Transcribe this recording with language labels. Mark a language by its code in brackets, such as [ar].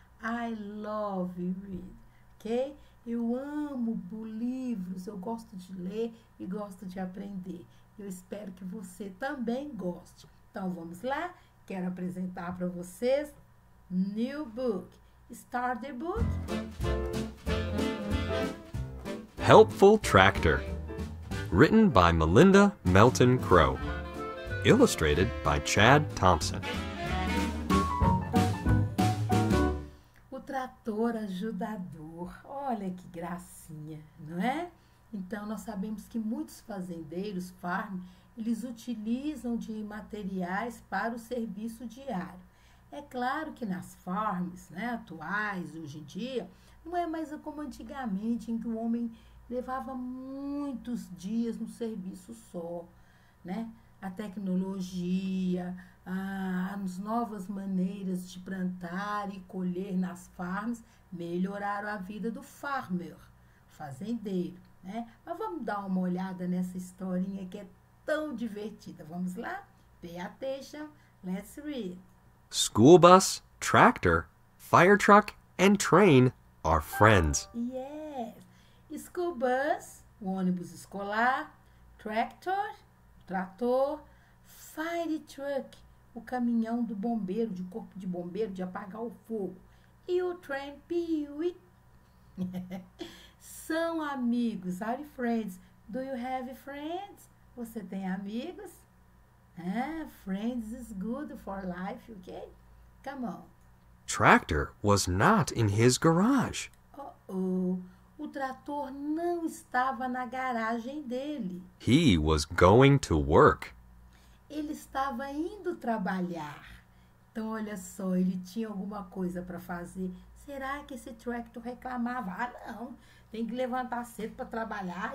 [en] I love read, ok? [pt] Eu amo livros, eu gosto de ler e gosto de aprender. Eu espero que você também goste. Então vamos lá, quero apresentar para vocês [en] New Book, Start the Book. Helpful Tractor. Written by Melinda Melton Crow. Illustrated by Chad Thompson. [pt] O trator ajudador. Olha que gracinha, não é? Então nós sabemos que muitos fazendeiros, farm, eles utilizam de materiais para o serviço diário. É claro que nas farms, né, atuais, hoje em dia, não é mais como antigamente, em que o homem levava muitos dias no serviço só, né? A tecnologia, as novas maneiras de plantar e colher nas farms melhoraram a vida do farmer, fazendeiro, né? Mas vamos dar uma olhada nessa historinha que é tão divertida. Vamos lá? [en] Pay attention. Let's read. School bus, tractor, fire truck, and train are friends. [pt] Yes. School bus, o ônibus escolar, tractor, trator, fire truck, o caminhão do bombeiro, de corpo de bombeiro, de apagar o fogo. E o train, piui. São amigos, [en] are friends. Do you have friends? [pt] Você tem amigos? [en] Ah, friends is good for life, ok? Come on. Tractor was not in his garage. Uh-oh. [pt] O trator não estava na garagem dele. [en] He was going to work. [pt] Ele estava indo trabalhar. Então, olha só, ele tinha alguma coisa para fazer. Será que esse tractor reclamava? Ah, não. Tem que levantar cedo para trabalhar.